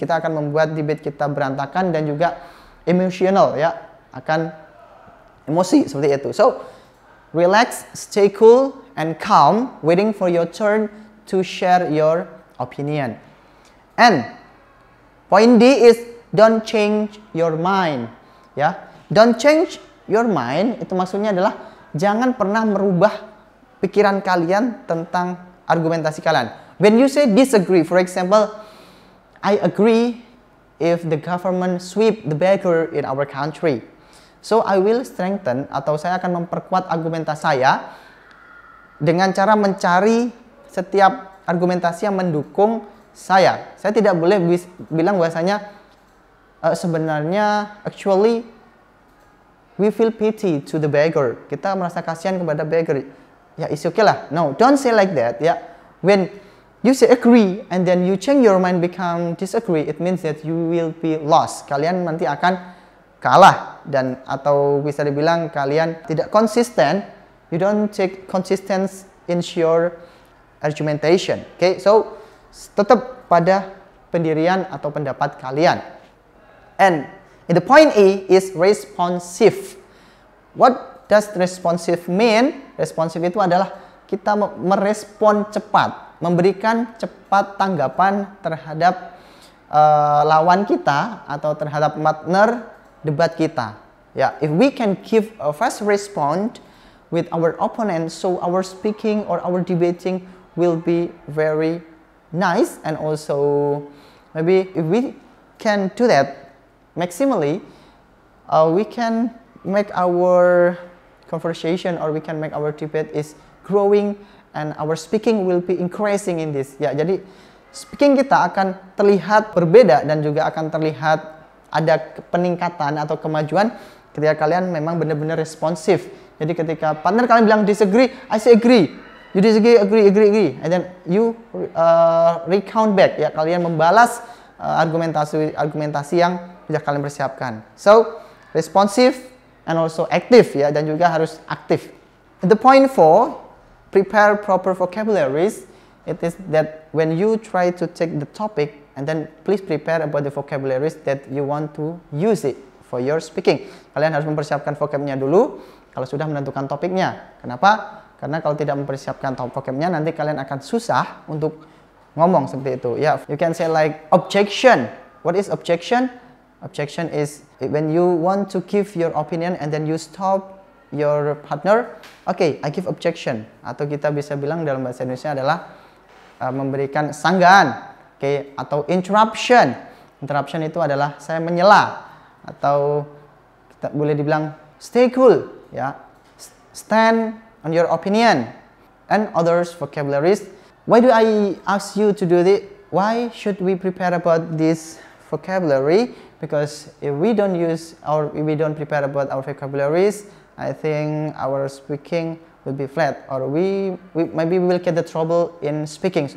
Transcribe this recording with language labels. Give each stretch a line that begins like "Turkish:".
Indonesian: Kita akan membuat debate kita berantakan dan juga emotional ya, akan emosi seperti itu.
English: So relax, stay cool and calm, waiting for your turn to share your opinion. And point D is don't change your mind.
Indonesian: Ya,
English: don't change your mind
Indonesian: itu maksudnya adalah jangan pernah merubah pikiran kalian tentang argumentasi kalian.
English: When you say disagree, for example, I agree if the government sweep the beggar in our country. So I will strengthen
Indonesian: atau saya akan memperkuat argumentasi saya dengan cara mencari setiap argumentasi yang mendukung saya tidak boleh bilang bahasanya sebenarnya
English: actually we feel pity to the beggar,
Indonesian: kita merasa kasihan kepada beggar. Ya,
English: it's okay
Indonesian: lah.
English: No, don't say like that. Ya, when you say agree and then you change your mind become disagree, it means that you will be lost.
Indonesian: Kalian nanti akan kalah dan atau bisa dibilang kalian tidak konsisten.
English: You don't take consistency in your argumentation.
Indonesian: Okay, so tetap pada pendirian atau pendapat kalian.
English: And in the point A is responsive. What does responsive mean?
Indonesian: Responsive itu adalah kita merespon cepat, memberikan cepat tanggapan terhadap lawan kita atau terhadap partner debat kita.
English: Ya, yeah. If we can give a fast response with our opponent, so our speaking or our debating will be very nice, and also maybe if we can do that maximally, we can make our conversation or we can make our debate is growing and our speaking will be increasing in this.
Indonesian: Ya, jadi speaking kita akan terlihat berbeda dan juga akan terlihat ada peningkatan atau kemajuan ketika kalian memang benar-benar responsif. Jadi ketika partner kalian bilang disagree,
English: I say agree. You disagree, agree, and then you recount back.
Indonesian: Ya, kalian membalas argumentasi yang sudah kalian persiapkan.
English: So, responsive and also active ya,
Indonesian: dan juga harus aktif.
English: The point for prepare proper vocabularies, it is that when you try to take the topic, and then please prepare about the vocabularies that you want to use it for your speaking.
Indonesian: Kalian harus mempersiapkan vocabnya dulu, kalau sudah menentukan topiknya. Kenapa? Karena kalau tidak mempersiapkan vocabnya, nanti kalian akan susah untuk ngomong seperti itu.
English: Yeah, you can say like objection. What is objection? Objection is when you want to give your opinion and then you stop your partner. Okay, I give objection.
Indonesian: Atau kita bisa bilang dalam bahasa Indonesia adalah memberikan sanggahan. Okay, atau interruption. Interruption itu adalah saya menyela. Atau kita boleh dibilang
English: stay cool. Yeah, stand on your opinion and others vocabularies. Why do I ask you to do this? Why should we prepare about this vocabulary? Because if we don't use or if we don't prepare about our vocabularies, I think our speaking will be flat, or we will get the trouble in speaking.